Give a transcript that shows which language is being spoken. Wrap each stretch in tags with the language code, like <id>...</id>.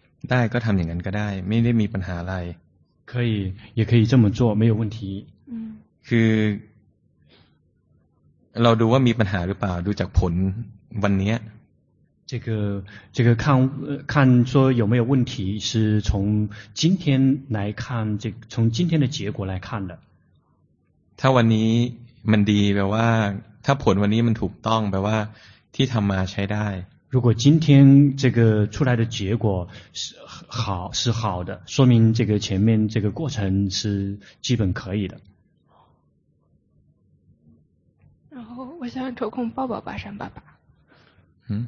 <th>ได้ก็ทำอย่างนั้นก็ได้ไม่ได้มีปัญหาอะไร</th> <zh>可以也可以这么做没有问题</zh> <th>คือเราดูว่ามีปัญหาหรือเปล่าดูจากผลวันนี้</th> <zh>这个看说有没有问题是从今天来看这从今天的结果来看的</zh> <th>ถ้าวันนี้มันดีแปลว่าถ้าผลวันนี้มันถูกต้องแปลว่าที่ทำมาใช้ได้</th> <zh>如果今天这个出来的结果是好的说明这个前面这个过程是基本可以的我想抽空抱抱巴山爸爸。嗯</zh>